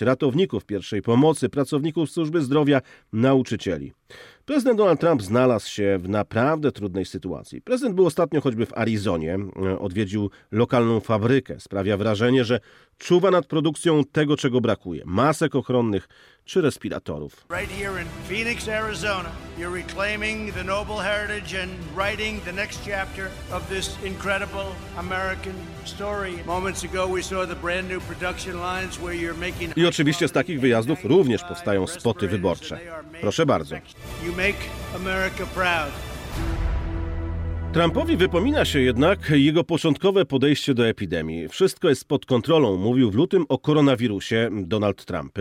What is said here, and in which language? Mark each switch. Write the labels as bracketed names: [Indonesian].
[Polish] Ratowników pierwszej pomocy, pracowników służby zdrowia, nauczycieli. Prezydent Donald Trump znalazł się w naprawdę trudnej sytuacji. Prezydent był ostatnio choćby w Arizonie, odwiedził lokalną fabrykę. Sprawia wrażenie, że czuwa nad produkcją tego, czego brakuje. Masek ochronnych czy respiratorów. [English] Right here in Phoenix, Arizona, you're reclaiming the noble heritage and writing the next chapter of this incredible American story. Moments ago we saw the brand new production lines where you're making. [Polish] I oczywiście z takich wyjazdów również powstają spoty wyborcze. Proszę bardzo. [English] You make America proud. [Polish] Trumpowi wypomina się jednak jego początkowe podejście do epidemii. Wszystko jest pod kontrolą, mówił w lutym o koronawirusie Donald Trump.